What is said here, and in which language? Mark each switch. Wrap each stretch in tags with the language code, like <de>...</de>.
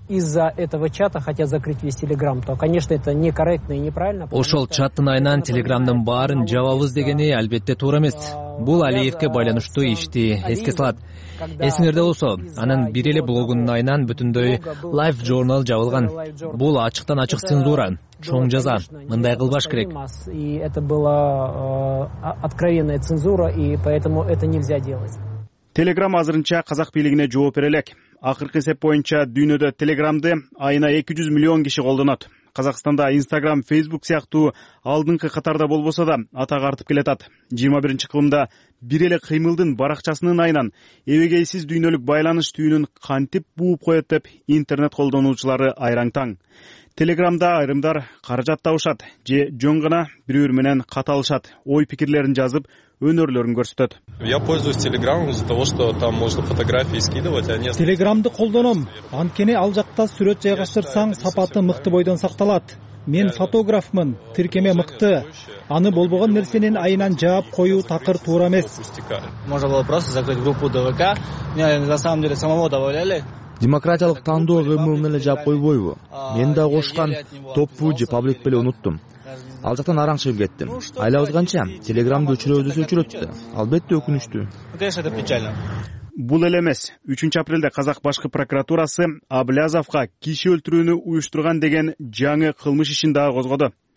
<ru>Из-за этого чата хотят закрыть весь Telegram, то, конечно, это некорректно и неправильно.</ru> <ky>Ошол чаттын айынан Telegramдын баарын жабабыз дегени албетте туура эмес. Бул Алиевке байланыштуу ишти эске салат. Эсиңерде болсо, анын бир эле блогунун айынан бүтүндөй Life Journal жабылган. Бул ачыктан ачык цензура. Чоң жаза. Мындай кылбаш керек.</ky> <ru>И это была откровенная цензура, и поэтому это нельзя делать.</ru> <ky>Телеграм азырынча казак бийлигине жооп бере элек. Акыркы эсеп боюнча дүйнөдө Телеграмды айына 200 миллион киши колдонот. Казакстанда Инстаграм, Фейсбук сыяктуу алдыңкы катарда болбосо да атагы артып келатат. 21-чи кылымда бир эле кыймылдын баракчасынын айынан эбегейсиз дүйнөлүк байланыш түйүнүн кантип бууп коет деп интернет колдонуучулары айраң таң. Телеграмда айрымдар каражат табышат же жөн гана бири бири менен каталышат, ой пикирлерин жазып өнөрлөрүн көрсөтөт.</ky> <ru>Я пользуюсь Телеграмом из-за того, что там можно фотографии скидывать, а не</ru> <ky>Телеграмды колдоном. Анткени ал жакта сүрөт жайгаштырсаң, сапаты мыкты бойдон сакталат. Мен фотографмын, тиркеме мыкты. Аны болбогон нерсенин айынан жаап коюу такыр туура эмес.</ky> <ru>Можно было просто закрыть группу ДВК. Не, на самом деле самого добавляли.</ru> <ky>Демократиялык тандоо ЭММ эле жаап койбойбу? Мен да кошкан топпу же паблик беле унуттум. Ал жактан араң чыгып кеттим. Айлабыз канча? Телеграмды өчүрөбүз өчүрөттү. Албетте өкүнүчтүү.</ky> <ru>Конечно, это печально.</ru> <ky>Бул эле эмес. 3-апрелде Казак башкы прокуратурасы Аблязовго киши өлтүрүүнү уюштурган деген жаңы кылмыш ишин дагы козгоду.</ky>